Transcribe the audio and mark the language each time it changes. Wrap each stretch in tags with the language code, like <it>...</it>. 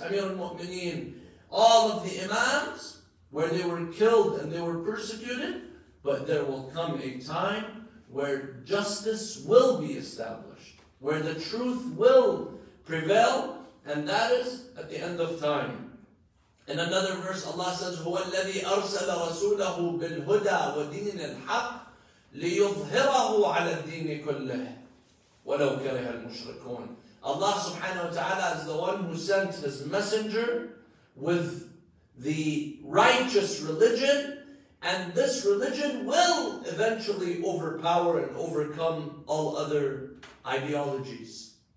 <en>Amir al-Mu'mineen, all of the imams, where they were killed and they were persecuted, but there will come a time where justice will be established, where the truth will prevail, and that is at the end of time.</en> <ar>In another verse, Allah says, هُوَ الَّذِي أَرْسَلَ رَسُولَهُ بِالْهُدَى وَدِينِ الْحَقِّ لِيُظْهِرَهُ عَلَى الدِّينِ كُلِّهِ وَلَوْ كَرِهَ الْمُشْرِكُونَ.</ar> <en>Allah subhanahu wa ta'ala is the one who sent His messenger with the righteous religion, and this religion will eventually overpower and overcome all other ideologies.</en>